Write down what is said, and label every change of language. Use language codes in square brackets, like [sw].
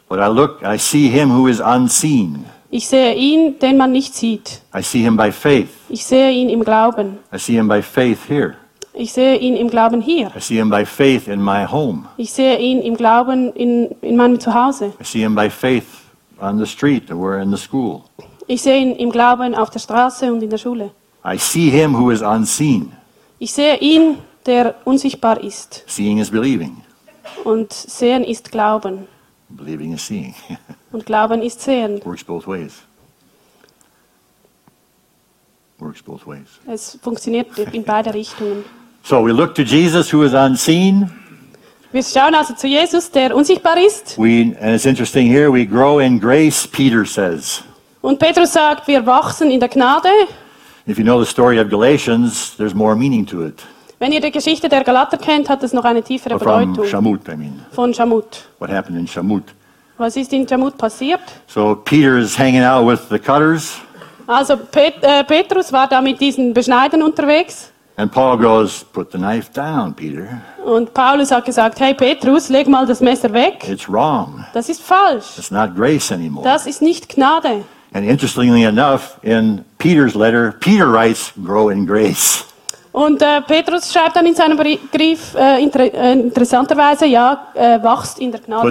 [en] But I look, I see him who is unseen. [de] Ich sehe ihn, den man nicht sieht. [en] I see him by faith. [de] Ich sehe ihn im Glauben. [en] I see him by faith here. [de] Ich sehe ihn im Glauben hier. [en] I see him by faith in my home. [de] Ich sehe ihn im Glauben in meinem Zuhause. [en] I see him by faith on the street or in the school. [de] Ich sehe ihn im Glauben auf der Straße und in der Schule. [en] I see him who is unseen. [de] Ich sehe ihn, der unsichtbar ist. [en] Seeing is believing. [de] Und sehen ist Glauben. [en] Believing is seeing. [de] Und Glauben ist Sehen. [en] Works both ways. Works both ways. [de] Es funktioniert in beide Richtungen. [en] So we look to Jesus who is unseen. [de] Wir schauen also zu Jesus, der unsichtbar ist. [en] And it's interesting here, we grow in grace, Peter says. [de] Und Petrus sagt, wir wachsen in der Gnade. [en] If you know the story of Galatians, there's more meaning to it. [de] Wenn ihr die Geschichte der Galater kennt, hat es noch eine tiefere Bedeutung. [en] Shamut, I mean. [de] Von Shamut. [en] What happened in Shamut? [de] Was ist in Shamut passiert? [en] So Peter is hanging out with the cutters. [de] Also Petrus war da mit diesen Beschneidern unterwegs. [en] And Paul goes, put the knife down, Peter. [de] Und Paulus hat gesagt, hey Petrus, leg mal das Messer weg. [en] It's wrong. [de] Das ist falsch. [en] It's not grace anymore. [de] Das ist nicht Gnade. [en] And interestingly enough, in Peter's letter, Peter writes, grow in grace. [de] Und Petrus schreibt dann in seinem Brief interessanterweise, ja, wachst in der Gnade.